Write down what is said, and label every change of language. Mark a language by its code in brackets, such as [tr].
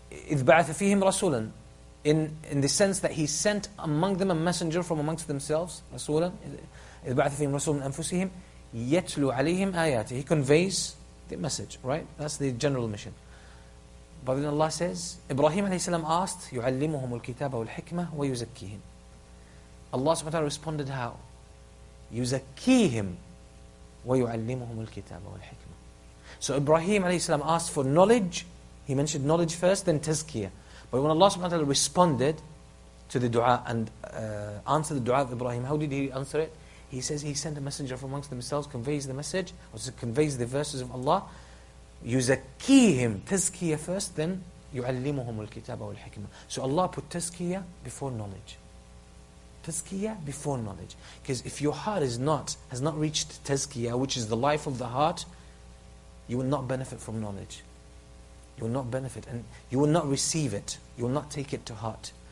[ar] إِذْ بَعَثَ فِيهِمْ رَسُولًا, [en] in the sense that he sent among them a messenger from amongst themselves, [ar] رَسُولًا, إِذْ بَعَثَ فِيهِمْ رَسُولًا مِنْ أَنفُسِهِمْ يَتْلُوا عَلَيْهِمْ آيَاتِهِ. [en] He conveys the message, right? That's the general mission. But then Allah says, Ibrahim alayhi salam asked, [ar] يعلمهم الكتاب والحكمة ويزكيهم. [en] Allah subhanahu wa ta'ala responded, how? [ar] يزكيهم ويعلمهم الكتاب والحكمة. [en] So Ibrahim alayhi salam asked for knowledge. He mentioned knowledge first, then tazkiyah. But when Allah subhanahu wa ta'ala responded to the dua and answered the dua of Ibrahim, how did he answer it? He says he sent a messenger from amongst themselves, conveys the message, or conveys the verses of Allah. [ar] يُزَكِّيهِمْ, تَزْكِيَ [en] first, then [ar] يُعَلِّمُهُمُ الْكِتَابَ وَالْحِكْمَةِ. [en] So Allah put تَزْكِيَ before knowledge. تَزْكِيَ before knowledge. Because if your heart is not, has not reached تَزْكِيَ, which is the life of the heart, you will not benefit from knowledge. You will not benefit, and you will not receive it. You will not take it to heart.